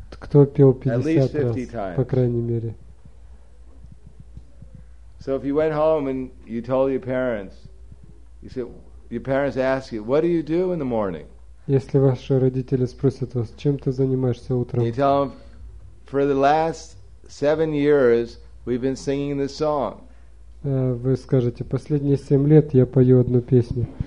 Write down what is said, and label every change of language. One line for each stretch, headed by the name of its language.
Russian: Кто пел 50 раз, по крайней мере.
English: So if you went home and you told your parents, you said, your parents ask you, what do you do in the morning?
Russian: Если ваши родители спросят вас, чем ты занимаешься утром?
English: You tell them, for the last 7 years, we've been singing this song.
Russian: Вы скажете, последние 7 лет я пою одну песню.